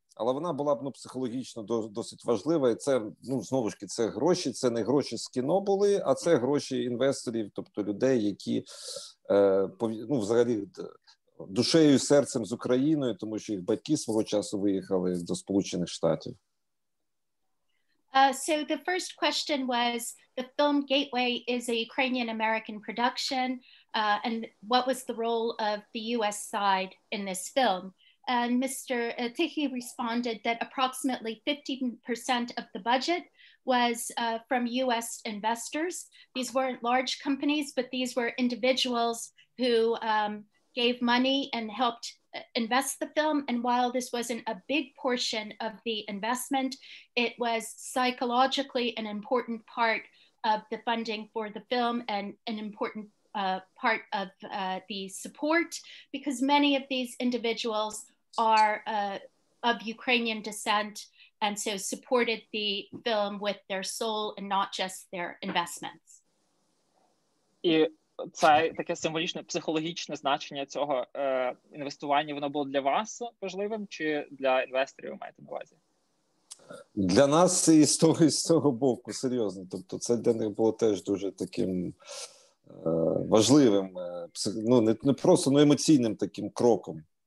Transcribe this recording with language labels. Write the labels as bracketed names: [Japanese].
[Ukrainian] Але вона була б, ну, психологічно досить важлива, і це, ну, знову ж таки, це гроші, це не гроші з кіно були, а це гроші інвесторів, тобто людей, які, ну, взагалі, душею і серцем з Україною, тому що їх батьки свого часу виїхали до Сполучених Штатів. [English] So the first question was, the film Gateway is a Ukrainian-American production, and what was the role of the US side in this film? And Mr. Tykhyy responded that approximately 15% of the budget was from US investors. These weren't large companies, but these were individuals who gave money and helped invest the film. And while this wasn't a big portion of the investment, it was psychologically an important part of the funding for the film and an important part of the support, because many of these individuals are of Ukrainian descent and so supported the film with their soul and not just their investments. [Ukrainian] І це таке символічне психологічне значення цього інвестування, воно було для вас важливим чи для інвесторів, маєте на увазі? Для нас і з того боку, серйозно. Тобто це для них було теж дуже таким важливим, ну, не просто, ну, емоційним таким кроком.